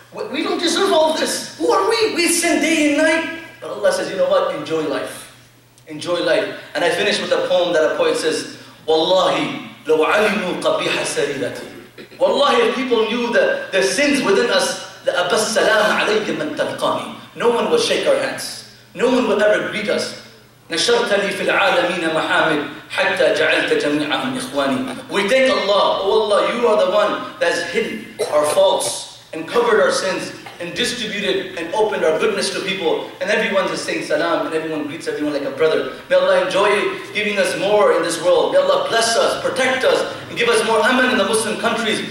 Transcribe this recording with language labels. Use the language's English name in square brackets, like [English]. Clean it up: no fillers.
[English] We don't deserve all this. Who are we? We sin day and night. But Allah says, you know what? Enjoy life. Enjoy life. And I finish with a poem that a poet says, Wallahi, [Arabic] لو علموا قبيح سريرتي. [English] Wallahi, if people knew that the sins within us, [Arabic] لأبى السلام عليك من تلقاني. [English] No one will shake our hands. No one will ever greet us. [Arabic] نشرت لي في العالمين محامد حتى جعلت جميعهم إخواني. [English] We thank Allah. Oh Allah, you are the one that has hidden our faults and covered our sins and distributed and opened our goodness to people, and everyone is saying salam, and everyone greets everyone like a brother. May Allah enjoy giving us more in this world. May Allah bless us, protect us, and give us more aman in the Muslim countries.